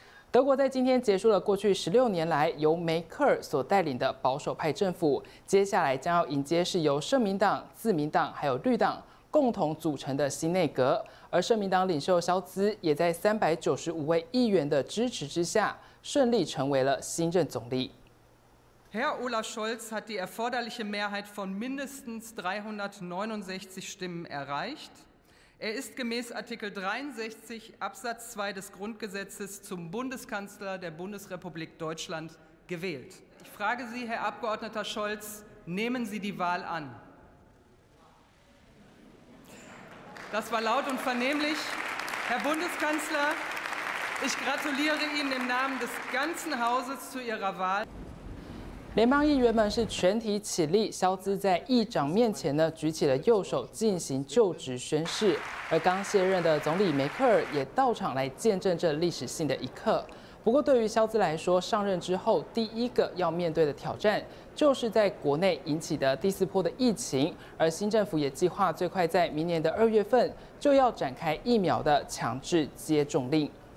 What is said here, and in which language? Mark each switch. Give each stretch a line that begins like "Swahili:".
Chinese: 德国在今天结束了过去16年来由梅克尔所带领的保守派政府，接下来将要迎接是由社民党、自民党还有绿党共同组成的新内阁。而社民党领袖肖兹也在395位议员的支持之下，顺利成为了新任总理。
German: Herr Olaf Scholz hat die erforderliche Mehrheit von mindestens 369 Stimmen erreicht. Er ist gemäß Artikel 63 Absatz 2 des Grundgesetzes zum Bundeskanzler der Bundesrepublik Deutschland gewählt. Ich frage Sie, Herr Abgeordneter Scholz, nehmen Sie die Wahl an? Das war laut und vernehmlich. Herr Bundeskanzler, ich gratuliere Ihnen im Namen des ganzen Hauses zu Ihrer Wahl.
Chinese: 联邦议员们是全体起立，肖兹在议长面前呢举起了右手进行就职宣誓，而刚卸任的总理梅克尔也到场来见证这历史性的一刻。不过对于肖兹来说，上任之后第一个要面对的挑战就是在国内引起的第四波的疫情，而新政府也计划最快在明年的2月份就要展开疫苗的强制接种令。